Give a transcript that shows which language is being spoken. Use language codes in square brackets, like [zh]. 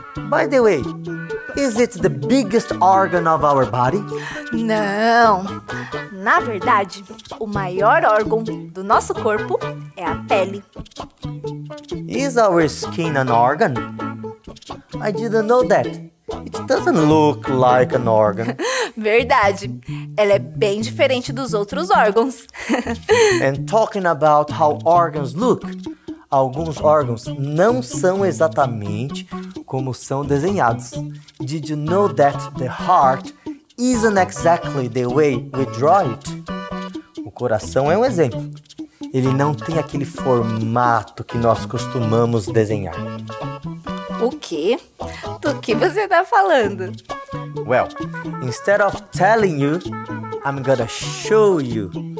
[en] By the way, is it the biggest organ of our body? [pt] Não. Na verdade, o maior órgão do nosso corpo é a pele. [en] Is our skin an organ? I didn't know that. It doesn't look like an organ. [pt] Verdade. Ela é bem diferente dos outros órgãos. [en] And talking about how organs look, [pt] alguns órgãos não são exatamente como são desenhados. [en] Did you know that the heart isn't exactly the way we draw it? [pt] O coração é um exemplo. Ele não tem aquele formato que nós costumamos desenhar. O quê? Do que você tá falando? [en] Well, instead of telling you, I'm gonna show you.